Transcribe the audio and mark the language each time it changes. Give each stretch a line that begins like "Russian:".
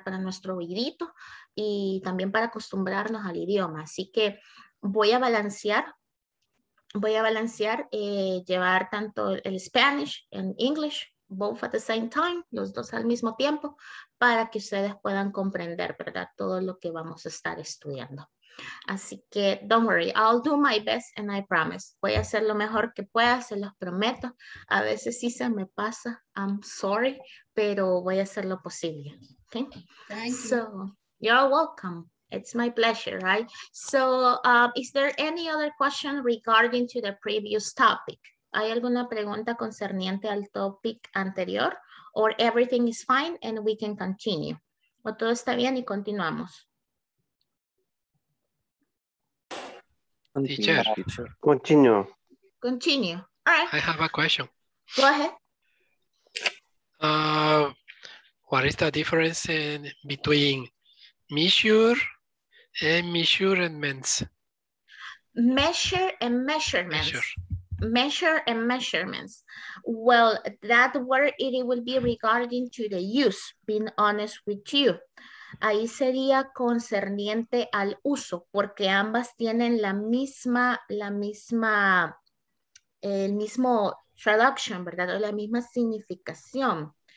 Spanish: Para nuestro oídito y también para acostumbrarnos al idioma, así que voy a balancear llevar tanto el Spanish en inglés,
English: both at the same time,
Spanish: los dos al mismo tiempo, para que ustedes puedan comprender, ¿verdad? Todo lo que vamos a estar estudiando. Así que,
English: don't worry, I'll do my best and I promise.
Spanish: Voy a hacer lo mejor que pueda, se los prometo. A veces sí se me pasa,
English: I'm sorry,
Spanish: pero voy a hacer lo posible. Okay?
English: Thank you. So, you're welcome. It's my pleasure, right? So, is there any other question regarding to the previous topic?
Spanish: ¿Hay alguna pregunta concerniente al topic anterior?
English: Or everything is fine and we can continue.
Spanish: ¿O todo está bien y continuamos?
English: Teacher. Continue. All right. I have a question. Go ahead. What is the difference in between measure and measurements? Measure and measurements. Measure and measurements. Well, that word, it will be regarding to the use, being honest with you.
Spanish: Ahí sería concerniente al uso, porque ambas tienen el mismo traduction, ¿verdad? O la misma significación.